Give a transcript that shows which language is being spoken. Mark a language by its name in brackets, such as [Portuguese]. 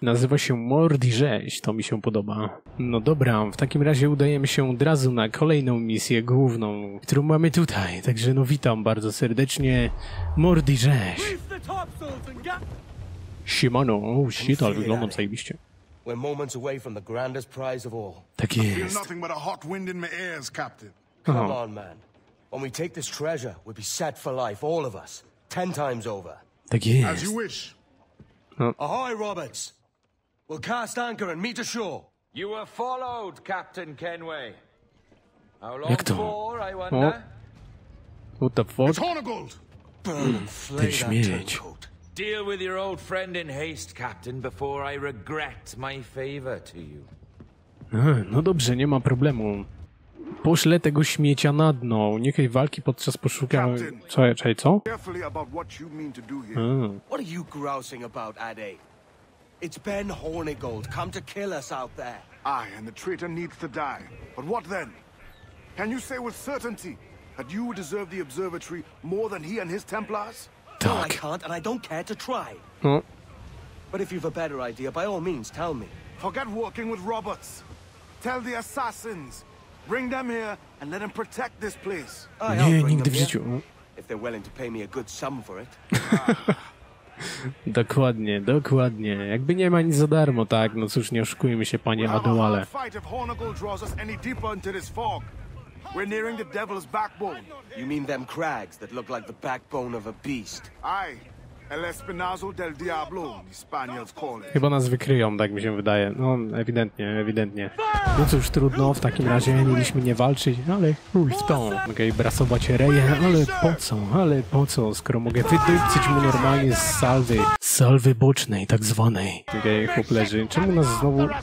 [Polish] Nazywa się Mordi Rzeź, to mi się podoba. No dobra, w takim razie udajemy się od razu na kolejną misję główną, którą mamy tutaj. Także no witam bardzo serdecznie, Mordi Rzeź. Siemano, shit, ale wyglądam zajebiście. [English] We're moments away from the grandest prize of all. [Polish] Tak jest. [English] I feel nothing but a hot wind in my ears, Captain. Come on, man. When we take this treasure, we'll be set for life, all of us. 10 times over. [Polish] Tak jest. [English] As you wish. Ahoy, Roberts. We'll cast anchor and meet ashore. You were followed, Captain Kenway. How long for, I wonder? Oh. What the fuck? It's Hornigold. Burn and flay that turncoat. Deal with your old friend in haste, Captain, before I regret my favor to you. [Polish] No dobrze, nie ma problemu. Poszlę tego śmiecia na dno. Niechaj walki podczas poszukiwania. Czaj, co? [English] Carefully about what you mean to do here. What are you grousing about, Ade? It's Ben Hornigold come to kill us out there. Aye, and the traitor needs to die. But what then? Can you say with certainty that you deserve the observatory more than he and his Templars? [Polish] Tak. [English] No, I can't, and I don't care to try. No. But if you've a better idea, by all means, tell me. Forget working with Roberts. Tell the assassins. Bring them here and let them protect this place. [Polish] Nie, nigdy w życiu. [English] If they're willing to pay me a good sum for it. [Polish] Dokładnie. Jakby nie ma nic za darmo, tak? No cóż, nie oszukujmy się, panie Adoale. [English] Fight if Hornigold draws us any deeper into this fog. We're nearing the devil's backbone. You mean them crags that look like the backbone of a beast? Aye. El Espinazo del Diablo, the Spaniards call it. [Polish] Chyba nas wykryją, tak mi się wydaje. No, ewidentnie. No cóż, trudno, w takim razie mieliśmy nie walczyć, ale chuj w to. Mogę i brasować reję, ale po co, skoro mogę wydupcić mu normalnie z salwy. Salwy bocznej, tak zwanej. Okej, chłop leży. Czemu nas znowu...